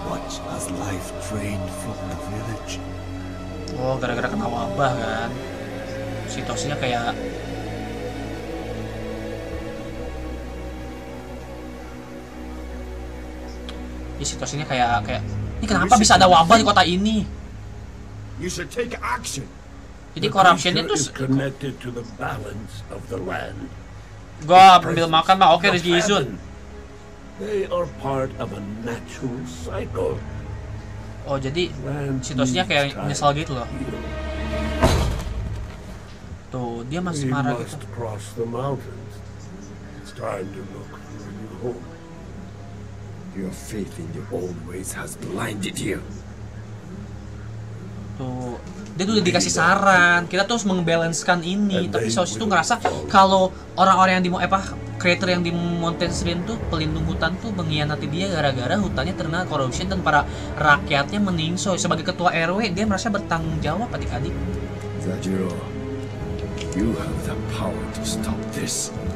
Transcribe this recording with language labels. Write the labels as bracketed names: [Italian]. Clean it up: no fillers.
[English] As life drained from the village. [Indonesian] Oh, gara-gara kena wabah kan. Situasinya kayak ini kenapa bisa ada wabah di kota ini? [English] You should take action. [Indonesian] Jadi corruption itu [English] connected to the balance of the land. [Indonesian] Gua ambil makan mah oke rezeki izun. [English] They are part of a natural cycle. [Indonesian] Oh, jadi situasinya kayak nyesel gitu loh. Tuh, dia masih marah gitu. [English] It's time to look for a new home. Your faith in the old ways has blinded you. [Indonesian] Tuh, dia tuh udah dikasih saran. Kita tuh harus membalancekan ini. Tapi Sosi tuh ngerasa kalau orang-orang yang di creator yang di Mountain Serene tuh pelindung hutan tuh mengkhianati dia gara-gara hutannya terkena korupsi dan para rakyatnya meninsoi. Sebagai ketua RW dia merasa bertanggung jawab adik-adik. [English] Zajiro, you have the power to stop this.